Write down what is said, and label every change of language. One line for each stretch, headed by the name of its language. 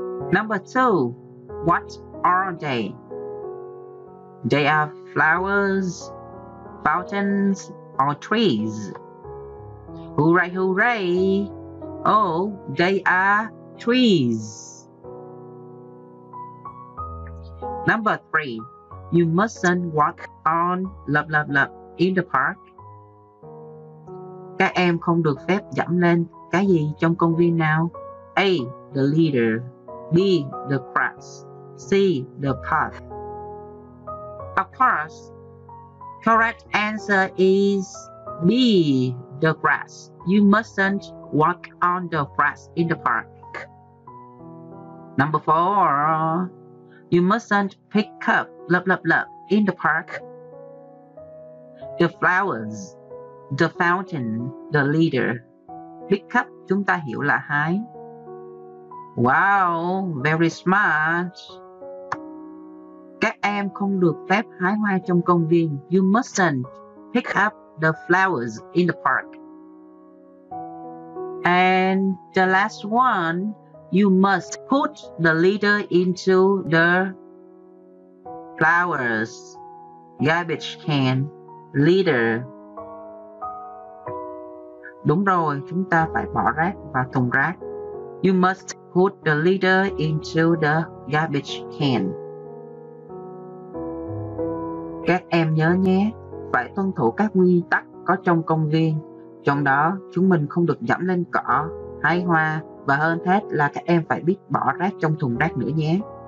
English: Number two, what are they? They are flowers, fountains, or trees? Hooray, hooray! Oh, they are trees. Number three, you mustn't walk on blah blah blah in the park.
Vietnamese: Các em không được phép dẫm lên cái gì trong công viên nào?
English: A, the leader. B, the grass. C, the path. Of course, correct answer is B, the grass. You mustn't walk on the grass in the park. Number four, you mustn't pick up blah blah blah in the park. The flowers, the fountain, the leader. Pick up
Vietnamese: chúng ta hiểu là hái.
English: Wow, very smart.
Vietnamese: Các em không được phép hái hoa trong công viên.
English: You mustn't pick up the flowers in the park. And the last one, you must put the leader into the flowers. Garbage can, leader.
Vietnamese: Đúng rồi, chúng ta phải bỏ rác vào thùng rác. You must put the leader into the garbage can. Các em nhớ nhé, phải tuân thủ các quy tắc có trong công viên. Trong đó, chúng mình không được dẫm lên cỏ, hái hoa. Và hơn hết là các em phải biết bỏ rác trong thùng rác nữa nhé.